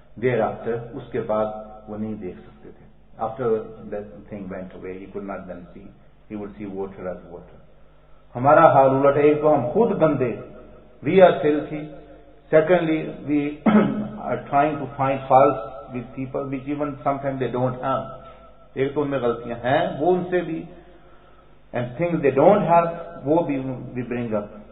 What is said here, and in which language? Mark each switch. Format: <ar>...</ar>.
<ur>Thereafter اس کے بعد وہ نہیں دیکھ سکتے تھے.</ur> <en>After that thing went away he could not then see, he would see water as water.</en> <ur>ہمارا حال الٹ ہے, ہم خود گندے.</ur> <en>We are filthy. Secondly, we are trying to find faults with people which even sometimes they don't have.</en> <ur>Ek to unme galtiyan hain, wo unse bhi.</ur> <en>And things they don't have,</en> <ur>wo bhi</ur> <en>we bring up.</en>